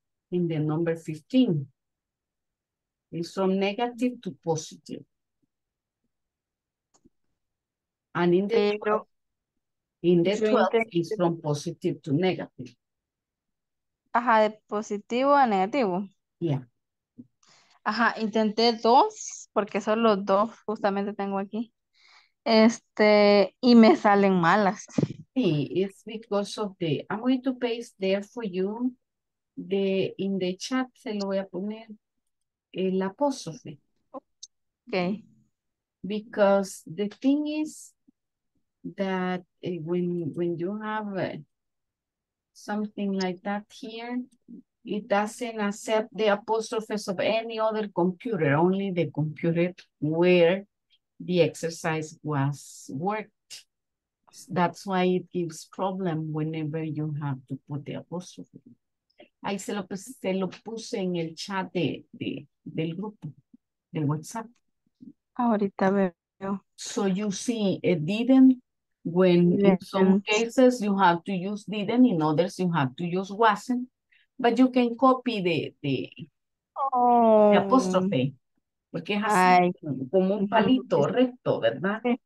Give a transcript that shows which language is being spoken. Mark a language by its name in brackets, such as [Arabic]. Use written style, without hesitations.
[English] In the number 15, it's from negative to positive. And in the 12, it's from positive to negative. [Spanish] Ajá, de positivo a negativo. [English] Yeah. [Spanish] Ajá, intenté dos, porque son los dos justamente tengo aquí. Y me salen malas. Sí, [English] it's because of the, I'm going to paste there for you, in the chat [Spanish] se lo voy a poner el apóstrofe. [English] Okay. Because the thing is that when you have something like that here, it doesn't accept the apostrophes of any other computer, only the computer where the exercise was worked. That's why it gives problem whenever you have to put the apostrophe. [Spanish] Ahí se lo puse en el chat del grupo, del WhatsApp. Ahorita veo. [English] So you see, it didn't. When in some cases you have to use didn't, in others you have to use wasn't, but you can copy the apostrophe, [Spanish] porque es así, como un palito recto, ¿verdad?